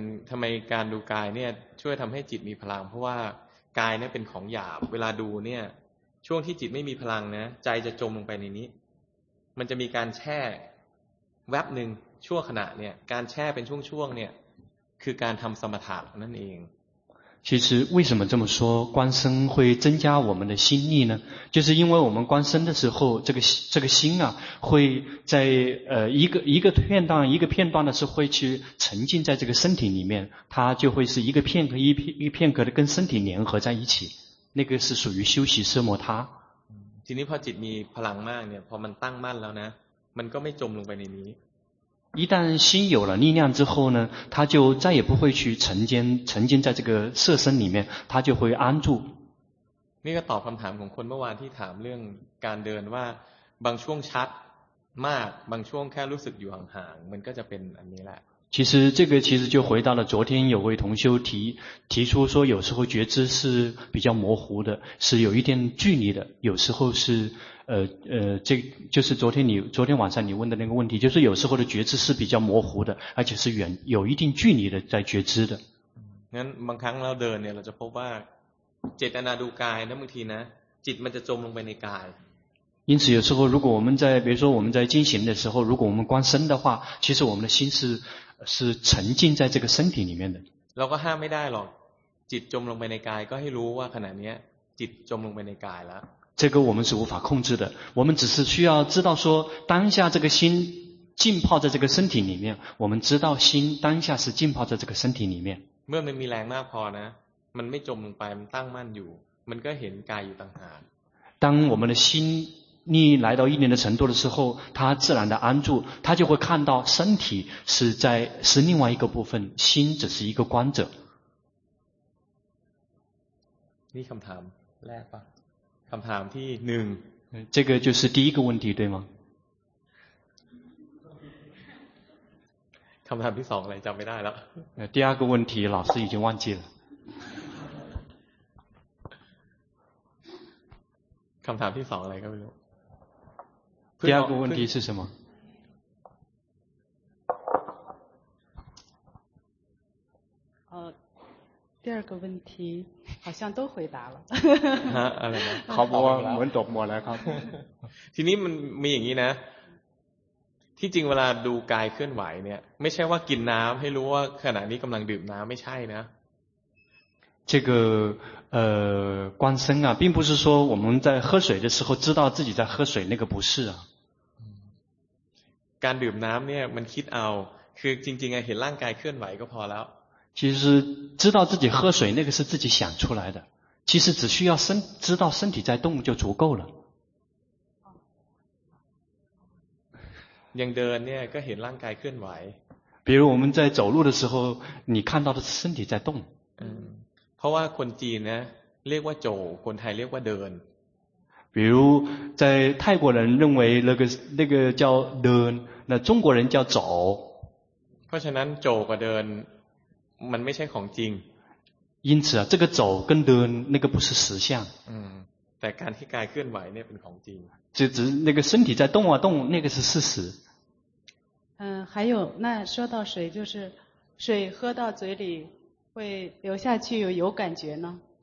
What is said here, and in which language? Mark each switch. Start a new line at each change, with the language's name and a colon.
Thai: ทำไมการดูกายเนี่ยช่วยทำให้จิตมีพลังเพราะว่ากายเนี่ยเป็นของหยาบเวลาดูเนี่ยช่วงที่จิตไม่มีพลังนะใจจะจมลงไปในนี้มันจะมีการแช่แวบหนึ่งชั่วขณะเนี่ยการแช่เป็นช่วงๆเนี่ยคือการทำสมถะนั่นเอง
Chinese: 其实为什么这么说，观身会增加我们的心力呢？就是因为我们观身的时候，这个心啊，会在一个片段一个片段的是会去沉浸在这个身体里面，它就会是一个片刻一片一片刻的跟身体联合在一起，那个是属于休息奢摩他。
Thai: ทีนี้พอจิตมีพลังมากเนี่ย พอมันตั้งมั่นแล้วนะ มันก็ไม่จมลงไปในนี้
Chinese: 一旦心有了力量之后呢，他就再也不会去沉浸在这个色身里面，他就会安住。
Thai: นี่ก็ตอบคำถามของคนเมื่อวานที่ถามเรื่องการเดินว่าบางช่วงชัดมากบางช่วงแค่รู้สึกอยู่ห่างๆมันก็จะเป็นอันนี้แหละ。
Chinese: 其实这个其实就回到了昨天有位同修提出说，有时候觉知是比较模糊的，是有一点距离的，有时候是。这就是昨天晚上你问的那个问题，就是有时候的觉知是比较模糊的，而且是远有一定距离的在觉知的。
Thai: 那บางครั้งเราเดินเนี่ยเราจะพบว่าเจตนาดูกายนะบางทีนะจิตมันจะจมลงไปในกาย。
Chinese: 因此有时候如果我们在比如说我们在进行的时候，如果我们观身的话，其实我们的心是沉浸在这个身体里面的。
Thai: เราก็ห้ามไม่ได้หรอกจิตจมลงไปในกายก็ให้รู้ว่าขณะนี้จิตจมลงไปในกายแล้ว。
Chinese: 这个我们是无法控制的，我们只是需要知道说当下这个心浸泡在这个身体里面，我们知道心当下是浸泡在这个身体里面。
Thai: เมื่อมันมีแรงมากพอนะมันไม่จมลงไปมันตั้งมั่นอยู่มันก็เห็นกายอยู่ต่างหาก。
Chinese: 当我们的心力来到一定的程度的时候，它自然的安住，它就会看到身体是另外一个部分，心只是一个观者。
Thai: นี่คำถามแรกป่ะคำถามที่หนึ่ง
Chinese: 这个就是第一个问题对吗
Thai: คำถามที่สองอะไรจำไม่ได้แล้ว
Chinese: 第二个问题老师已经忘记了
Thai: คำถามที่สองอะไรก็ไม่รู้
Chinese: 第二个问题是什么第二个问题好像都回答了。好不好我们懂我来看。
Thai: ทีนี้มันมีอย่างนี้นะที่จริงเวลาดูกายเคลื่อนไหวเนี่ยไม่ใช่ว่ากินน้ำให้รู้ว่าขณะนี้กำลังดื่มน้ำไม่ใช่นะ
Chinese: 这个观身啊并不是说我们在喝水的时候知道自己在喝水那个不是啊。
Thai: การดื่มน้ำเนี่ยมันคิดเอาคือจริงๆเห็นร่างกายเคลื่อนไหวก็พอแล้ว
Chinese: 其实知道自己喝水那个是自己想出来的，其实只需要知道身体在动就足够了。
Thai: ยังเดินเนี่ยก็เห็นร่างกายเคลื่อนไหว。
Chinese: 比如我们在走路的时候，你看到的是身体在动。
Thai: เพราะว่าคนจีนนะเรียกว่าโจคนไทยเรียกว่าเดิน。
Chinese: 比如在泰国人认为那个叫เดิน，那中国人叫走。
Thai: เพราะฉะนั้นโจกับเดินมันไม่ใช่ของจริง
Chinese: 因此啊这个走跟เดิน那个不是实相
Thai: แต่การที่กายเคลื่อนไหวเนี่ยเป็นของจริง
Chinese: 只那个身体在动啊动那个是事实还有那说到水就是水喝到嘴里会流下去有感觉呢